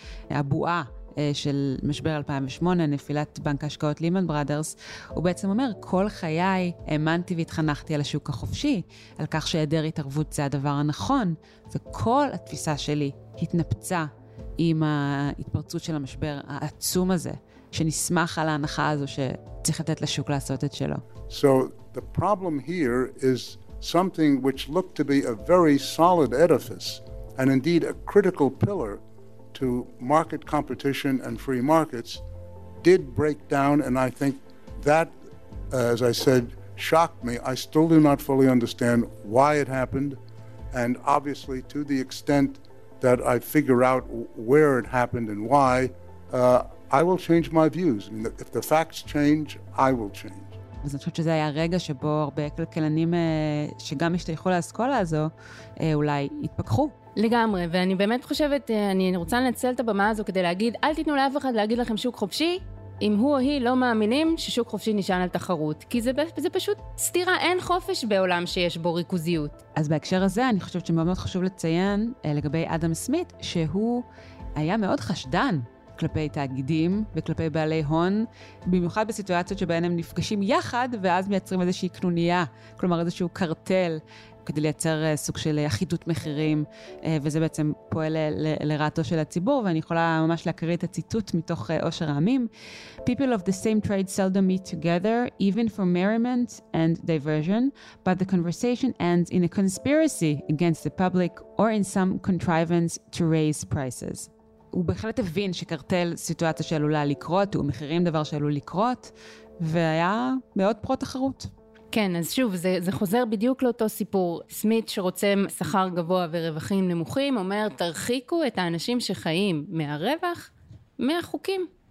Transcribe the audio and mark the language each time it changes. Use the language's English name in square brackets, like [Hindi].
[Hebrew] הבועה של משבר 2008, נפילת בנק השקעות לימן ברדרס, הוא בעצם אומר, כל חיי האמנתי והתחנכתי על השוק החופשי, על כך שהיעדר התערבות זה הדבר הנכון, וכל התפיסה שלי התנפצה עם ההתפרצות של המשבר העצום הזה, שנסמך על ההנחה הזו שצריך לתת לשוק לעשות את שלו. [English] So the problem here is something which looked to be a very solid edifice, and indeed a critical pillar to market competition and free markets did break down, and I think that, as I said, shocked me. I still do not fully understand why it happened, and obviously to the extent that I figure out where it happened and why, I will change my views. I mean, if the facts change, I will change. [Hebrew] אז אני חושבת שזה היה רגע שבו הרבה כלכלנים שגם השתייכו לאסכולה הזו אולי התפקחו. לגמרי, ואני באמת חושבת, אני רוצה לנצל את הבמה הזו כדי להגיד, אל תיתנו לאף אחד להגיד לכם שוק חופשי, אם הוא או היא לא מאמינים ששוק חופשי נשען על תחרות, כי זה פשוט סתירה, אין חופש בעולם שיש בו ריכוזיות. אז בהקשר הזה, אני חושבת שמאוד מאוד חשוב לציין לגבי אדם סמית, שהוא היה מאוד חשדן כלפי תאגידים וכלפי בעלי הון, במיוחד בסיטואציות שבהן הם נפגשים יחד, ואז מייצרים איזושהי קנוניה, כלומר איזשהו קרטל, כדי לייצר סוג של אחידות מחירים, וזה בעצם פועל לרעתו של הציבור, ואני יכולה ממש להקריא את הציטוט מתוך אושר העמים. [English] People of the same trade seldom meet together, even for merriment and diversion, but the conversation ends in a conspiracy against the public or in some contrivance to raise prices. [Hebrew] הוא בהחלט הבין שקרטל סיטואציה שעלולה לקרות, הוא מחירים דבר שעלול לקרות, והיה מאוד פרו תחרות. כן, אז שוב, זה חוזר בדיוק לאותו סיפור. סמית שרוצה שכר גבוה ורווחים נמוכים, אומר, תרחיקו את האנשים שחיים מהרווח, מהחוקים.